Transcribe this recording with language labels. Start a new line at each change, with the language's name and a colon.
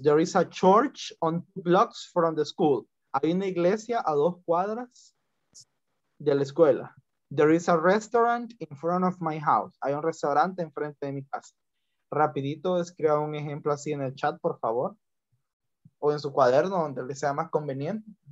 English: There is a church on two blocks from the school.
Spanish: Hay una iglesia a dos cuadras de la escuela.
English: There is a restaurant in front of my house.
Spanish: Hay un restaurante enfrente de mi casa. Rapidito, escriba un ejemplo así en el chat, por favor. O en su cuaderno, donde le sea más conveniente.